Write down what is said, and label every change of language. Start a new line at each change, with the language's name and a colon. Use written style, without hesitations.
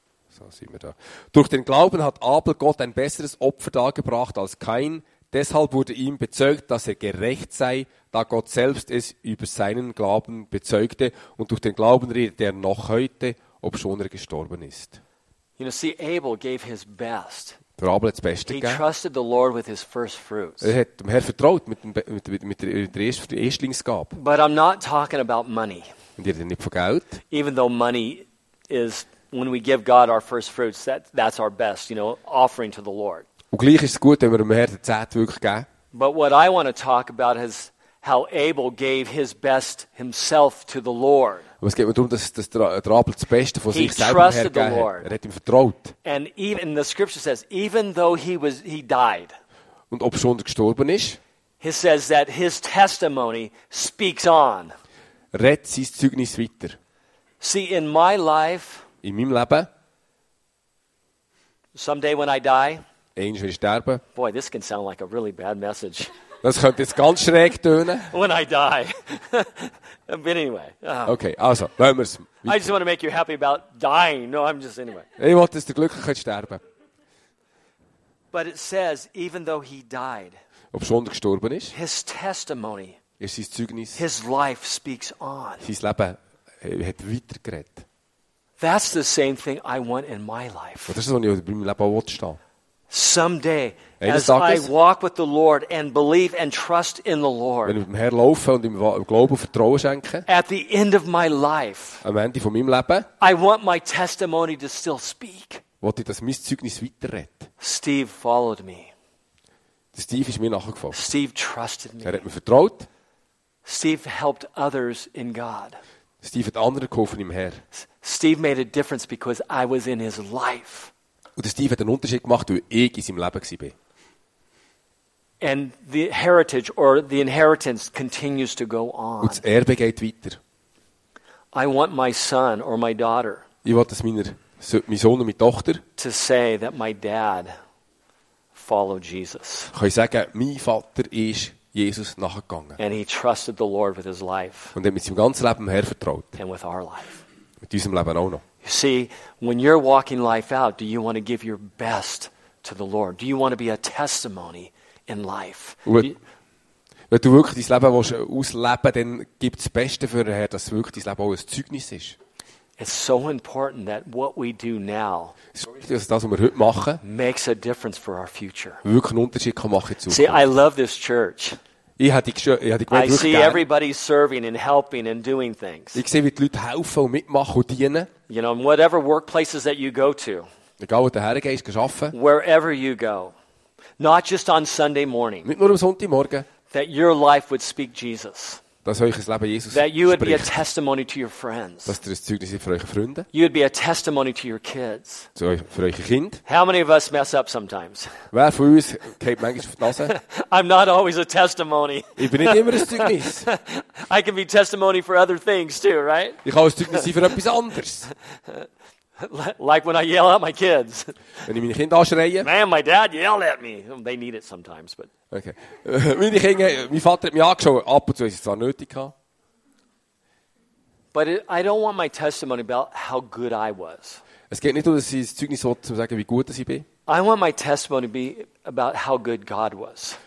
German: So sind wir da. Durch den Glauben hat Abel Gott ein besseres Opfer dargebracht als Kain. Deshalb wurde ihm bezeugt, dass er gerecht sei, da Gott selbst es über seinen Glauben bezeugte. Und durch den Glauben redet er noch heute, obschon er gestorben ist.
English: You know, see, Abel gave his best.
German: Der Abel hat das Beste
English: gegeben. He trusted the Lord with his first fruits.
German: Er hat dem Herrn vertraut mit der Erstlingsgabe.
English: But I'm not talking about money.
German: Und ich rede nicht von Geld.
English: Even though money is, when we give God our first fruits, that's our best, you know, offering to the Lord.
German: Und gleich ist es gut, wenn wir dem Herrn den Zehnten wirklich geben.
English: But what I want to talk about is how Abel gave his best himself to the Lord.
German: Was geht mir darum, dass der Abel das Beste von sich selber hergegeben hat? Er hat ihm vertraut.
English: And even the scripture says, even though he died.
German: Und ob schon er gestorben ist?
English: He says that his testimony speaks on.
German: Redet sein Zeugnis weiter.
English: See, in my life.
German: In meinem Leben.
English: Someday when I die.
German: Einst will ich sterben.
English: Boy, this can sound like a really bad message.
German: Das könnte jetzt ganz schräg tönen.
English: When I die. But anyway.
German: Okay, also, lassen wir es.
English: I just want to make you happy about dying. No, I'm just anyway.
German: Ich wollte, dass du glücklich sterben.
English: But it says, even though he died,
German: ob schon er gestorben ist,
English: his testimony,
German: ist sein Zeugnis,
English: his life speaks on.
German: Sein Leben hat weitergeredet.
English: That's the same thing I want in my life.
German: Das ist das, was ich bei meinem Leben auch will stehen.
English: Someday, as I walk with the Lord and believe and trust in the Lord,
German: wenn ich mit dem Herrn laufe und ihm Glauben und Vertrauen schenke,
English: at the end of my life,
German: am Ende von meinem Leben,
English: I want my testimony to still speak.
German: Wollte ich, dass mein Zeugnis weiterredet.
English: Steve followed me.
German: Steve ist mir nachgefolgt.
English: Steve trusted me.
German: Er hat mir vertraut.
English: Steve helped others in God.
German: Steve hat anderen geholfen im Herrn.
English: Steve made a difference because I was in his life.
German: Und Steve hat einen Unterschied gemacht, weil ich in seinem Leben war.
English: And the heritage or the inheritance continues to go on.
German: Und das Erbe geht weiter.
English: I want my son or my daughter.
German: Ich will, dass mein Sohn und meine Tochter
English: to say that my dad followed Jesus.
German: Kann ich sagen, mein Vater ist Jesus nachgegangen.
English: And he trusted the Lord with his life.
German: Und er hat mit seinem ganzen Leben dem Herrn vertraut.
English: And with our life.
German: Mit unserem Leben auch noch.
English: See, when you're walking life out, do you want to give your best to the Lord? Do you want to be a testimony in life?
German: Wenn du wirklich dein Leben ausleben, dann gib das Beste für den Herrn, dass wirklich dein Leben auch ein Zeugnis ist.
English: It's so important that what we do now,
German: dass das, was wir heute machen,
English: makes a difference for our future.
German: Wirklich einen Unterschied kann machen zu.
English: See, I love this church.
German: Ich
English: see everybody serving and helping and doing things.
German: Ich sehe, wie die Leute helfen und mitmachen und dienen.
English: You know, whatever workplaces that you go to.
German: Egal, wo du hergehst, gehst arbeiten.
English: Wherever you go. Not just on Sunday morning.
German: Nicht nur am Sonntagmorgen.
English: That your life would speak Jesus.
German: Dass euch das Leben Jesus spricht.
English: That you would be a testimony to your friends.
German: Dass ihr ein Zeugnis seid für eure Freunde.
English: You would be a testimony to your kids.
German: Für eure Kinder.
English: How many of us mess up sometimes?
German: Wer von uns geht manchmal auf die Nase?
English: I'm not always a testimony.
German: Ich bin nicht immer ein Zeugnis.
English: I can be testimony for other things too, right?
German: Ich kann ein Zeugnis sein für etwas anderes.
English: Like when I yell at my kids.
German: Wenn ich meine Kinder anschreie.
English: Man, my dad yelled at me. They need it sometimes, but. Okay.
German: Meine Kinder, mein Vater hat mich angeschaut. Ab und zu ist es zwar nötig.
English: But I don't want my testimony about how good I was.
German: Es geht nicht darum, dass ich das Zeugnis will, zu sagen, wie gut ich bin.
English: I want my testimony to be about how good God was.